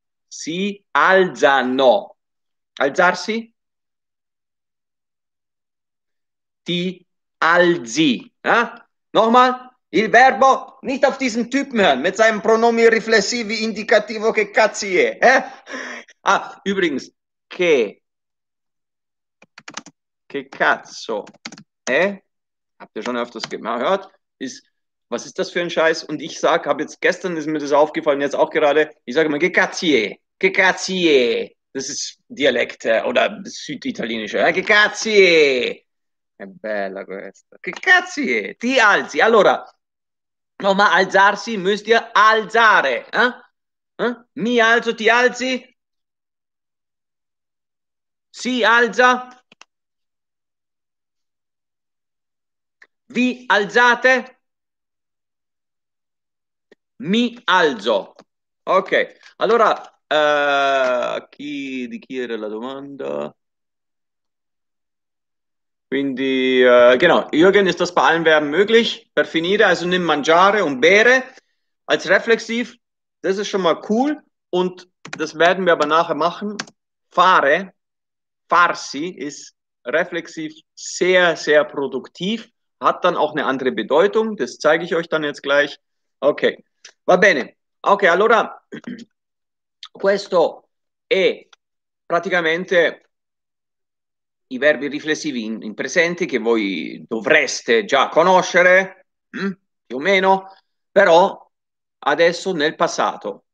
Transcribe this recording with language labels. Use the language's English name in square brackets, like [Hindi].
[Italian] Si alzano. Alzarsi? Ti alzi. Ja? [German] Nochmal, [Italian] il verbo, [German] nicht auf diesen Typen hören, mit seinem [Italian] pronomi riflessivi indicativo che cazzi è. Eh? Ah, [German] übrigens, [Italian] che cazzo, eh? [German] Habt ihr schon öfters gehört? Ist, was ist das für ein Scheiß? Und ich sag, hab jetzt gestern, ist mir das aufgefallen, jetzt auch gerade, ich sage immer, [Italian] che cazzi è. [German] Das ist Dialekt oder Süditalienische. [Italian] Che cazzi è. È bella questa. Che cazzi è? Ti alzi. [German] Allora, nochmal alzarsi, müsst ihr alzare. Eh? Eh? [Italian] Mi alzo, ti alzi. Si alza. Vi alzate. Mi alzo. Ok. Allora, di chi era la domanda? [German] Quindi, genau, Jürgen, ist das bei allen Verben möglich? [Italian] Per finire, [German] also nimm mangiare und bere als reflexiv. Das ist schon mal cool und das werden wir aber nachher machen. Fare, farsi, ist reflexiv sehr, sehr produktiv, hat dann auch eine andere Bedeutung. Das zeige ich euch dann jetzt gleich. [Italian] Okay, va bene. Okay, allora, questo è praticamente i verbi riflessivi in presente che voi dovreste già conoscere, più o meno, però adesso nel passato.